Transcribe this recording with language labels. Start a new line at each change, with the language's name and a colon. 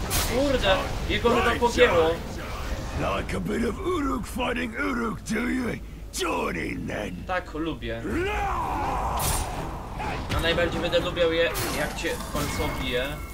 Polish: Kurde, jego ruda pogięło.
English: Like a bit of Uruk fighting Uruk, do you? Join in then.
Polish: Tak lubię. A najbardziej będę lubił je, jak cię w końcu bije.